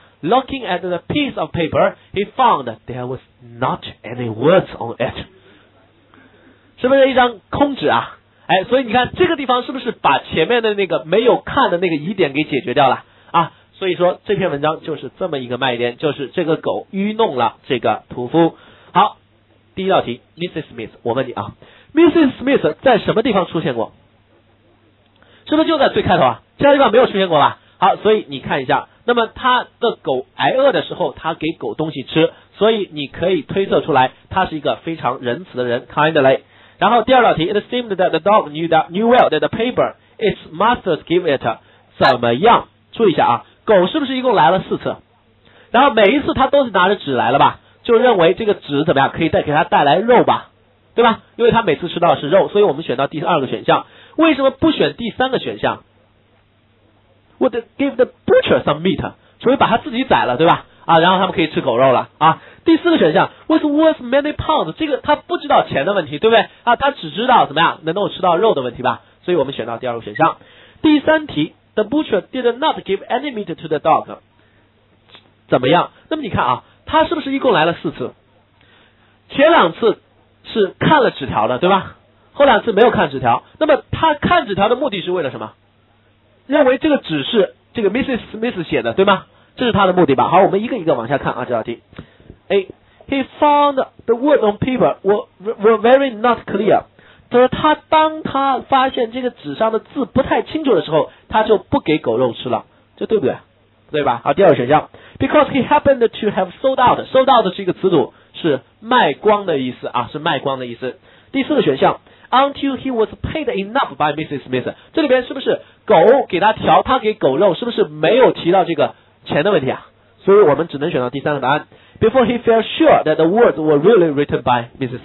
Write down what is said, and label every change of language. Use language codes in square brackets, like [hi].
[en] Looking at the piece of paper， He found there was not any words on it。 [zh] 是不是一张空纸啊？哎，所以你看这个地方是不是把前面的那个没有看的那个疑点给解决掉了啊？所以说这篇文章就是这么一个卖点，就是这个狗愚弄了这个屠夫。好，第一道题 Mrs. Smith， 我问你啊， Mrs. Smith 在什么地方出现过？是不是就在最开头啊？其他地方没有出现过吧。好，所以你看一下，那么他的狗挨饿的时候他给狗东西吃，所以你可以推测出来他是一个非常仁慈的人， kindly。 [en] 然后第二道题， It seemed that the dog knew well that the paper its master gave it [zh] 怎么样。注意一下啊，狗是不是一共来了四次，然后每一次它都是拿着纸来了吧，就认为这个纸怎么样可以再给它带来肉吧，对吧？因为它每次吃到的是肉，所以我们选到第二个选项。为什么不选第三个选项？ [en] Would give the butcher some meat， [zh] 除非把它自己宰了，对吧？啊，然后他们可以吃狗肉了啊。第四个选项 [en] was worth many pounds， [zh] 这个他不知道钱的问题，对不对啊？他只知道怎么样能够吃到肉的问题吧，所以我们选到第二个选项。 [en] 第三题，The butcher did not give any meat to the dog， [zh] 怎么样？那么你看啊，他是不是一共来了四次？前两次是看了纸条的，对吧？后两次没有看纸条。那么他看纸条的目的是为了什么？认为这个纸是这个 Mrs. Smith 写的，对吗？这是他的目的吧。好，我们一个一个往下看啊，这道题。A， [en] He found the word on paper were very not clear. [zh] 就是他当他发现这个纸上的字不太清楚的时候，他就不给狗肉吃了，这对不对？对吧？好，第二个选项 [en] ，because he happened to have sold out. [zh] Sold out 是一个词组，是卖光的意思啊，是卖光的意思。第四个选项 [en] ，until he was paid enough by Mrs. Smith. [zh] 这里边是不是狗给他调，他给狗肉，是不是没有提到这个钱的问题啊？所以我们只能选到第三个答案。 [en] Before he felt sure that the words were really written by Mrs.